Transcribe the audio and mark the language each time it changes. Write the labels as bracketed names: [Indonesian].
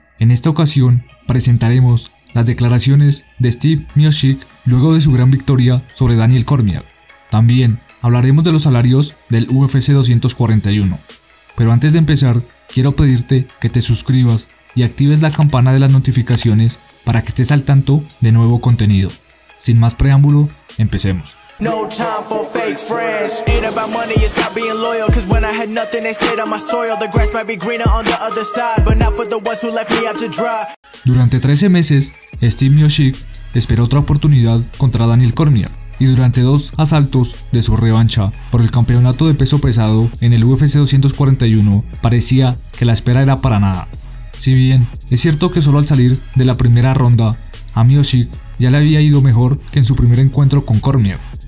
[Spanish] En esta ocasión presentaremos las declaraciones de Stipe Miocic luego de su gran victoria sobre Daniel Cormier. También hablaremos de los salarios del UFC 241. Pero antes de empezar, quiero pedirte que te suscribas y actives la campana de las notificaciones para que estés al tanto de nuevo contenido. Sin más preámbulo, empecemos. [English] No time for fake friends. Ain't about money, it's about being loyal. Cause when I had nothing, they stayed on my soil. The grass might be greener on the other side, but not for the ones who left me out to dry. [Spanish] Durante 13 meses, Stipe Miocic esperó otra oportunidad contra Daniel Cormier. Y durante dos asaltos de su revancha por el campeonato de peso pesado en el UFC 241, parecía que la espera era para nada. Si bien es cierto que solo al salir de la primera ronda, a Miocic ya le había ido mejor que en su primer encuentro con Cormier.